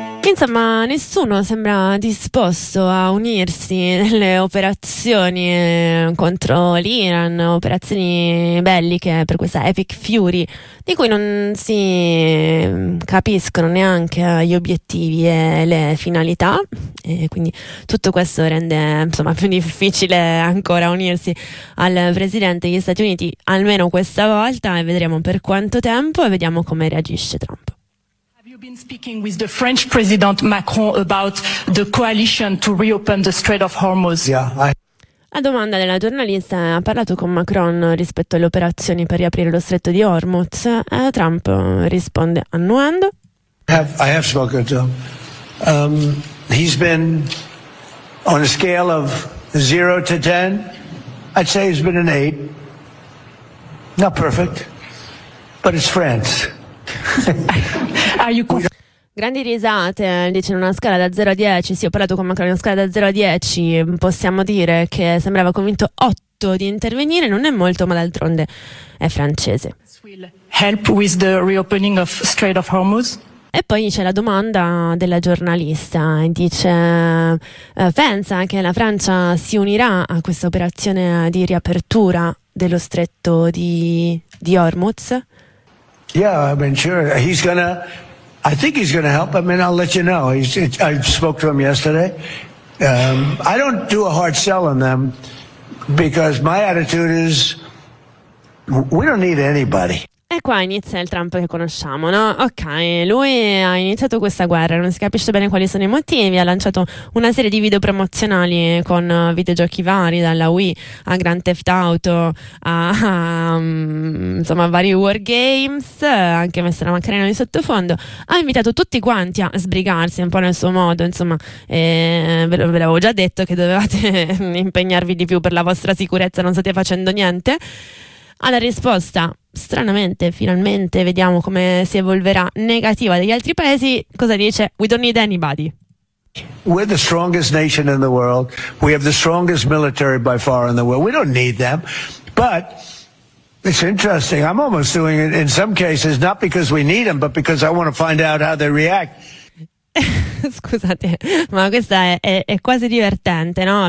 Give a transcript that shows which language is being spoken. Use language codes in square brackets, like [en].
[it] Insomma, nessuno sembra disposto a unirsi nelle operazioni contro l'Iran, operazioni belliche per questa Epic Fury, di cui non si capiscono neanche gli obiettivi e le finalità, e quindi tutto questo rende, insomma, più difficile ancora unirsi al presidente degli Stati Uniti, almeno questa volta, e vedremo per quanto tempo e vediamo come reagisce Trump. [en] Been speaking with the French president Macron about the coalition to reopen the Strait of Hormuz. [it] La domanda della giornalista: ha parlato con Macron rispetto alle operazioni per riaprire lo stretto di Hormuz? Trump risponde annuendo. [en] I have spoken to him. He's been on a scale of 0 to 10. I'd say he's been an 8. Not perfect, but it's France. [it] Grandi risate, dice, in una scala da 0 a 10. Sì, ho parlato con Macron, in una scala da 0 a 10 possiamo dire che sembrava convinto 8 di intervenire, non è molto, ma d'altronde è francese. [en] Help with the reopening of Strait of Hormuz. [it] E poi c'è la domanda della giornalista, dice, pensa che la Francia si unirà a questa operazione di riapertura dello stretto di Hormuz? [en] Yeah, I mean, sure. He's gonna, I think he's gonna help. I mean, I'll let you know. I spoke to him yesterday. I don't do a hard sell on them because my attitude is we don't need anybody. [it] E qua inizia il Trump che conosciamo, no? Ok, lui ha iniziato questa guerra, non si capisce bene quali sono i motivi, ha lanciato una serie di video promozionali con videogiochi vari, dalla Wii a Grand Theft Auto a vari war games, anche messo una macchina di sottofondo, ha invitato tutti quanti a sbrigarsi un po' nel suo modo, insomma, ve l'avevo già detto che dovevate impegnarvi di più per la vostra sicurezza, non state facendo niente. Alla risposta, stranamente, finalmente vediamo come si evolverà, negativa degli altri paesi, cosa dice? [en] We don't need anybody. We're the strongest nation in the world. We have the strongest military by far in the world. We don't need them. But it's interesting. I'm almost doing it in some cases, not because we need them, but because I want to find out how they react. [it] Scusate, ma questa è quasi divertente, no?